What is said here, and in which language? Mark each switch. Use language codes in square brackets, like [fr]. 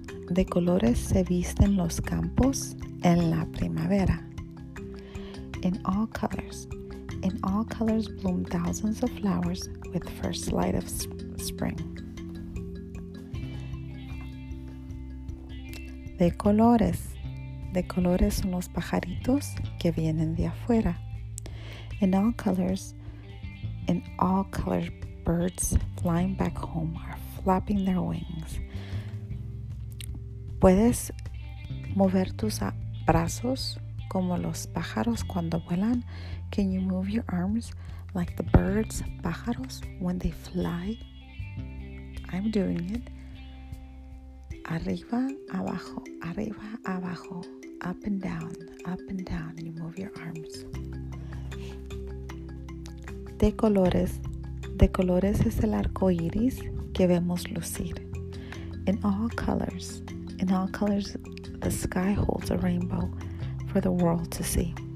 [es] De colores se visten los campos en la primavera. [en] In all colors. In all colors bloom thousands of flowers with the first light of spring. [es] De colores. De colores son los pajaritos que vienen de afuera. [en] In all colors. In all colors. Birds flying back home are flapping their wings. [es] ¿Puedes mover tus brazos como los pájaros cuando vuelan? [en] Can you move your arms like the birds, pájaros, when they fly? I'm doing it. [es] Arriba, abajo, arriba, abajo, [en] up and down, and you move your arms. [es] De colores. De colores es el arco iris que vemos lucir. [en] In all colors, the sky holds a rainbow for the world to see.